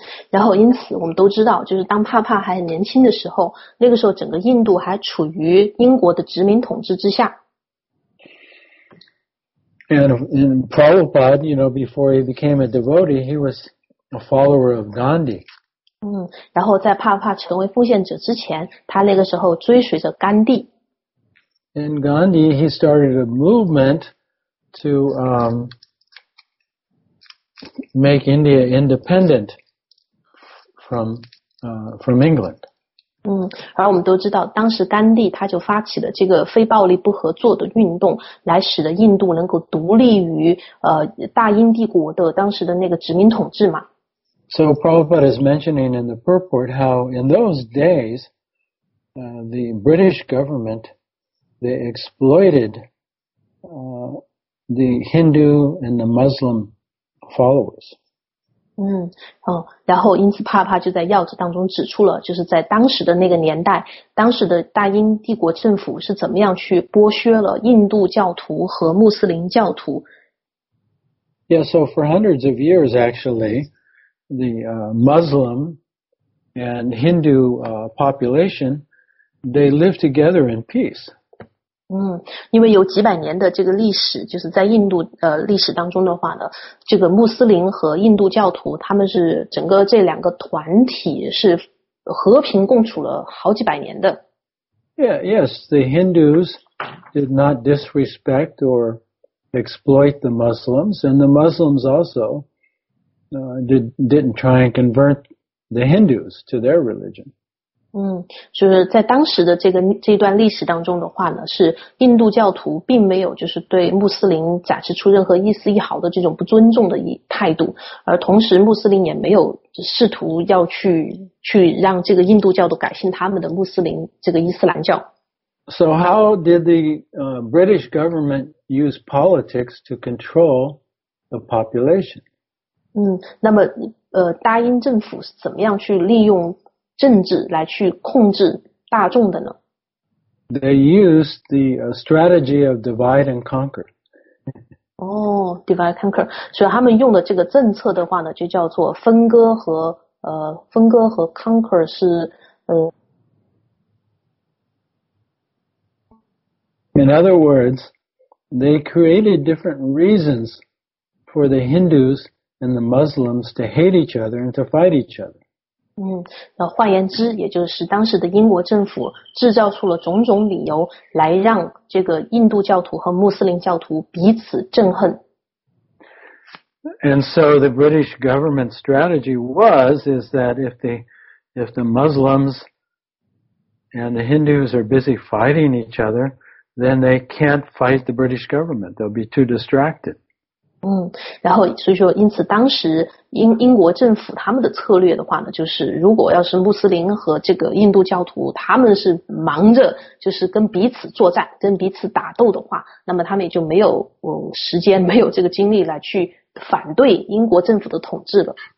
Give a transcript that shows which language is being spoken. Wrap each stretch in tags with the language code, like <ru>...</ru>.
<zh>然后因此我们都知道，就是当帕帕还很年轻的时候，那个时候整个印度还处于英国的殖民统治之下。</zh> <en>And Prabhupada, you know, before he became a devotee, he was a follower of Gandhi.</en> <zh>然后在帕帕成为奉献者之前，他那个时候追随着甘地。</zh> <en>And Gandhi, he started a movement to make India independent from England.</en> <zh>而我们都知道，当时甘地他就发起了这个非暴力不合作的运动，来使得印度能够独立于大英帝国的当时的那个殖民统治嘛。</zh> <en>So Prabhupada is mentioning in the purport how in those days, the British government, they exploited, the Hindu and the Muslim followers.</en> <zh>然后因此帕帕就在要旨当中指出了，就是在当时的那个年代，当时的大英帝国政府是怎么样去剥削了印度教徒和穆斯林教徒。</zh> <en>Yeah, so for hundreds of years, actually, the Muslim and Hindu population, they lived together in peace.</en> <zh>因为有几百年的这个历史，就是在印度历史当中的话呢，这个穆斯林和印度教徒他们是整个这两个团体是和平共处了好几百年的。</zh> <en>Yeah, yes, the Hindus did not disrespect or exploit the Muslims, and the Muslims also didn't try and convert the Hindus to their religion.</en> <zh>就是在当时的这段历史当中的话呢，是印度教徒并没有就是对穆斯林展示出任何一丝一毫的这种不尊重的态度，而同时穆斯林也没有试图要去让这个印度教徒改信他们的穆斯林这个伊斯兰教。</zh> <en>So how did the British government use politics to control the population?</en> <zh>那么大英政府是怎么样去利用政治来去控制大众的呢？</zh> <en>They used the strategy of divide and conquer. divide and conquer.</en> <zh>所以他们用的这个政策的话呢，就叫做分割和</zh> <en>conquer</en> <zh>是</zh> <en>In other words, they created different reasons for the Hindus and the Muslims to hate each other and to fight each other.</en> <zh>换言之，也就是当时的英国政府制造出了种种理由来让这个印度教徒和穆斯林教徒彼此憎恨。</zh> <en>And so the British government strategy was that if the if the Muslims and the Hindus are busy fighting each other, then they can't fight the British government. They'll be too distracted.</en> <zh>然后所以说因此当时 英国政府他们的策略的话呢，就是如果要是穆斯林和这个印度教徒他们是忙着就是跟彼此作战跟彼此打斗的话，那么他们也就没有、时间没有这个精力来去反对英国政府的统治了。</zh>